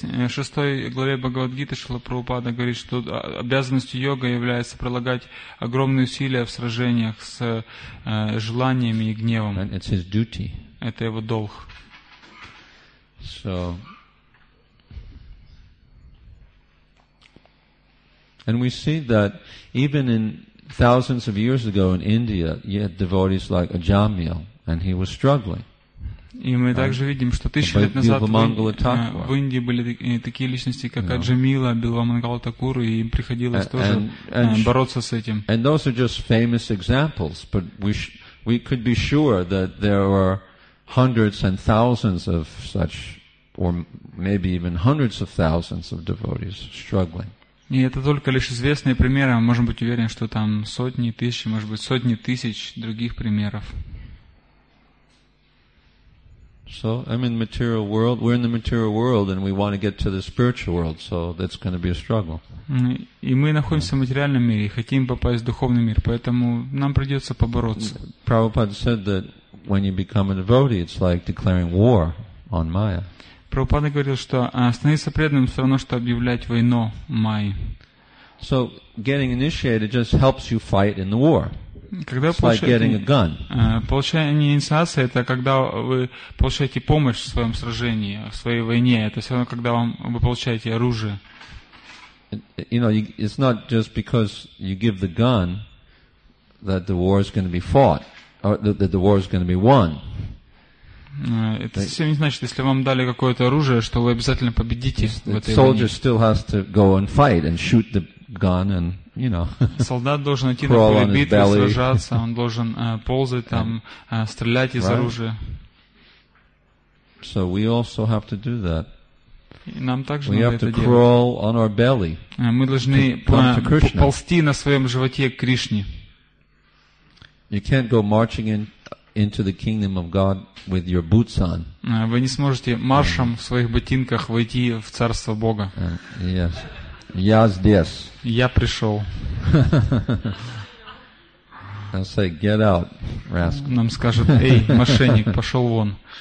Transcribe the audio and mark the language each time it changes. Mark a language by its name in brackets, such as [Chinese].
[Russian] Шестой главе Бхагавад-гиты Шрила Прабхупада говорит, что обязанностью йоги является прилагать огромные усилия в сражениях с желаниями и гневом. [English] And it's his duty. [Russian] Это его долг. [English] So, and we see that even in thousands of years ago in India, you had devotees like Ajamila, and he was struggling. [Russian] И мы также видим, что тысячи лет назад в Индии были такие личности, как Аджамила, Билвамангала Такуру, и им приходилось тоже бороться с этим. [English] And those are just famous examples, but we could be sure that there are hundreds and thousands of such, or maybe even hundreds of thousands of devotees struggling. [Russian] И это только лишь известные примеры, мы можем быть уверены, что там сотни тысяч, может быть, сотни тысяч других примеров. [English] So I'm in the material world. We're in the material world, and we want to get to the spiritual world. So that's going to be a struggle. [Russian] И мы находимся в материальном мире и хотим попасть в духовный мир, поэтому нам придется побороться. [English] Prabhupada said that when you become a devotee, it's like declaring war on Maya. [Russian] Prabhupada говорил, что становиться преданным все равно, что объявлять войну Майе. So getting initiated just helps you fight in the war. Когда получение инициации, это когда вы получаете помощь в своем сражении, в своей войне. Это все равно, когда вы получаете оружие. [English] You know, it's not just because you give the gun that the war is going to be fought, or that the war is going to be won. [Russian] Это совсем не значит, если вам дали какое-то оружие, что вы обязательно победите в этой войне. [English] Soldier still has to go and fight and shoot the gun and. [Russian] Солдат должен идти на поле битвы, сражаться, он должен ползать там, стрелять из оружия. [English] So we also have to do that. [Russian] И нам также [English] we [Russian] надо это [English] to [Russian] делать. [English] Crawl on our belly [Russian] мы должны ползти на своем животе к Кришне. [English] You can't go marching into the kingdom of God with your boots on. [Russian] Вы не сможете маршем в своих ботинках войти в царство Бога. [English] Yes. [Russian] Я здесь. Я пришел. [English] I'll say, get out, rascal. [Russian] Нам скажут, эй, мошенник, пошел вон.